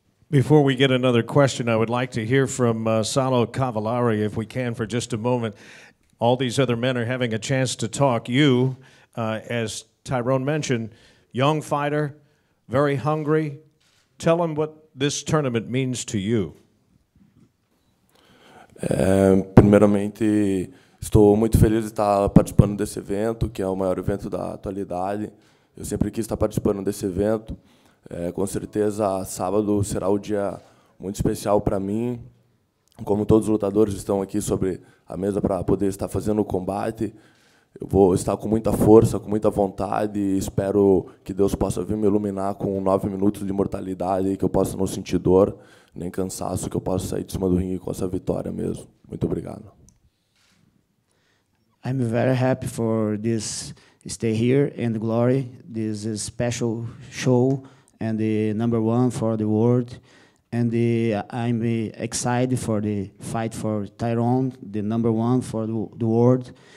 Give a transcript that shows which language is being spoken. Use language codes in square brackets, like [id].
[en] Before we get another question, I would like to hear from Salo Cavallari, if we can, for just a moment. All these other men are having a chance to talk. You, as Tyrone mentioned, young fighter, very hungry. Tell him what this tournament means to you. [pt] Primeiramente, estou muito feliz de estar participando desse evento, que é o maior evento da atualidade. Eu sempre quis estar participando desse evento. Com certeza, sábado será um dia muito especial para mim. Como todos os lutadores estão aqui sobre a mesa para poder estar fazendo o combate, eu vou estar com muita força, com muita vontade, e espero que Deus possa vir me iluminar com 9 minutos de imortalidade, que eu possa não sentir dor, nem cansaço, que eu possa sair de cima do ringue com essa vitória mesmo. Muito obrigado. [en] I'm very happy for this stay here and glory. This is a special show and the number one for the world. And I'm excited for the fight for Tyrone, the number one for the world.